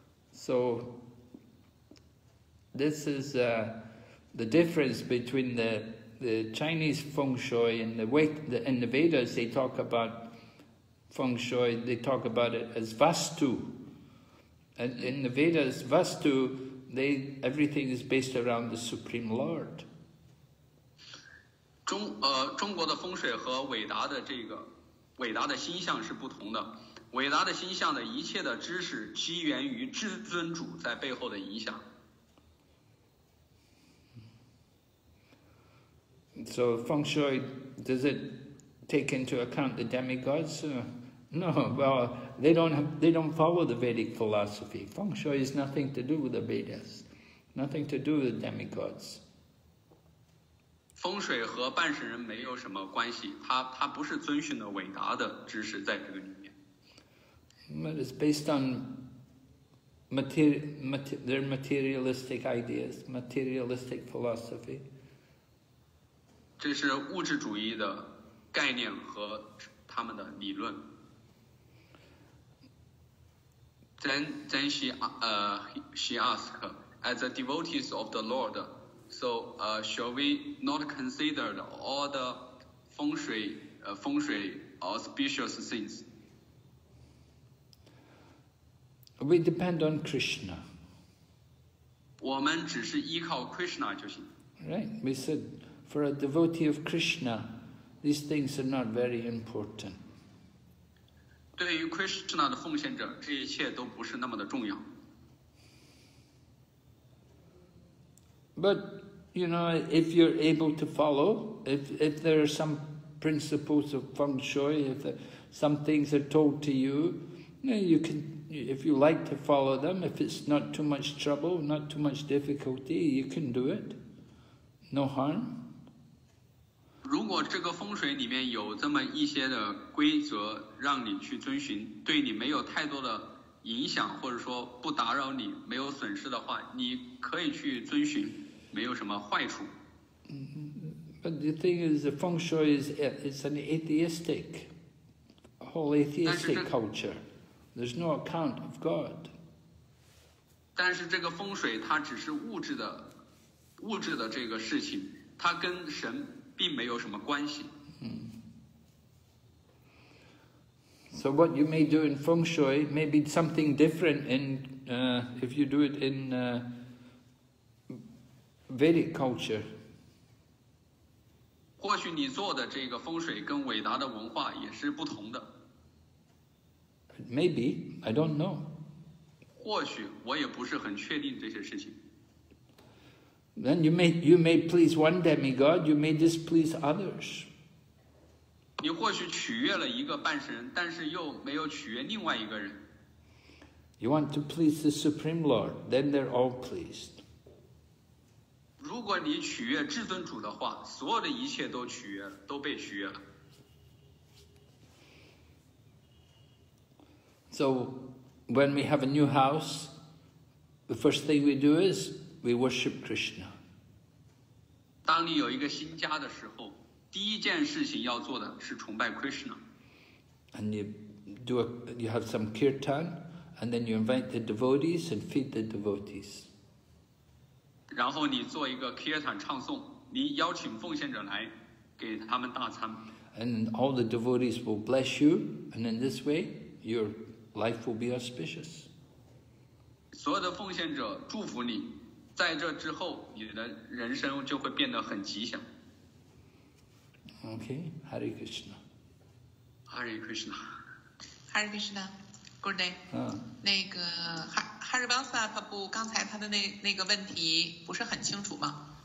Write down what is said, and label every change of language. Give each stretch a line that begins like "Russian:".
English: So this is the difference between the Chinese feng shui and the Vedas. They talk aboutFeng Shui, they talk about it as Vastu. And in the Vedas, Vastu, everything is based around the Supreme Lord.
Chinese: 中国的风水和伟达的这个伟达的星象是不同的。伟达的星象的一切的知识基源于至尊主在背后的影响。
English: So feng shui, does it take into account the demigods? No, well, they don't follow the Vedic philosophy. Feng shui has nothing to do with the Vedas, nothing to do with the demigods.
Chinese: 风水和半神人没有什么关系，他不是遵循的伟达的知识在这个里面。
English: But it's based on their materialistic ideas, materialistic philosophy.
Chinese: 这是物质主义的概念和他们的理论。
English: Then she asked, as the devotees of the Lord, shall we not consider all the 风水 auspicious things? We depend on Krishna.
Chinese: 我们只是依靠 Krishna 就行。
English: Right, we said, for a devotee of Krishna, these things are not very important.
Chinese: 对于 Krishna 的奉献者，这一切都不是那么的重要。
English: But you know, if you're able to follow, if there are some principles of feng shui, if some things are told to you, you can, if you like to follow them, if it's not too much trouble, not too much difficulty, you can do it. No harm.
Chinese: 如果这个风水里面有这么一些的规则让你去遵循，对你没有太多的影响，或者说不打扰你，没有损失的话，你可以去遵循，没有什么坏处。
English: But the thing is, the feng shui is an atheistic, whole atheistic culture. There's no account of God.
Chinese: 但是这个风水它只是物质的这个事情，它跟神并没有什么关系。
English: So what you may do in feng shui may be something different in if you do it in Vedic culture.
Chinese: 或许你做的这个风水跟伟达的文化也是不同的。
English: Maybe, I don't know.
Chinese: 或许我也不是很确定这些事情。
English: Then you may please one demigod, you may displease others.
Chinese: 你或许取悦了一个半神，但是又没有取悦另外一个人。
English: You want to please the Supreme Lord, then they're all pleased.
Chinese: 如果你取悦至尊主的话，所有的一切都取悦，都被取悦了。
English: So when we have a new house, the first thing we do is,We worship Krishna.
Chinese: 当你有一个新家的时候，第一件事情要做的是崇拜 Krishna.
English: And you have some kirtan, and then you invite the devotees and feed the devotees.
Chinese: 然后你做一个 kirtan 唱诵，你邀请奉献者来给他们大餐。
English: And all the devotees will bless you, and in this way, your life will be auspicious.
Chinese: 所有的奉献者祝福你。在这之后，你的人生就会变得很吉祥。
English: Okay, Hare Krishna. Hare Krishna. Hare Krishna. Good day.
Chinese: 那个Harivansa他不刚才他的那个问题不是很清楚吗？